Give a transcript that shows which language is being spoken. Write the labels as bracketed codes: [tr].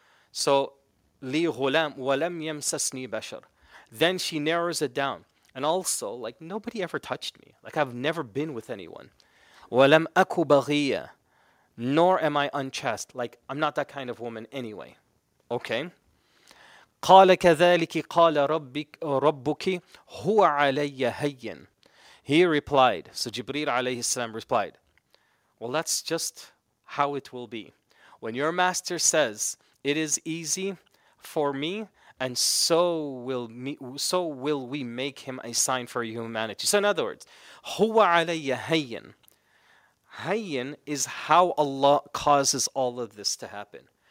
[ar] So, li ghulam walam yamsasni bashar. [en] Then she narrows it down. And also, like, nobody ever touched me. Like, I've never been with anyone. [ar] Walam aku baghiya. [en] Nor am I unchaste. Like, I'm not that kind of woman anyway. Okay? [ar] قال كذلك قال ربك هو علي هين. [en] He replied. So Jibreel alayhi salam replied. Well, that's just how it will be. When your master says it is easy for me, and so will we make him a sign for humanity. So in other words, [ar] هو علي هين. [en] هين is how Allah causes all of this to happen.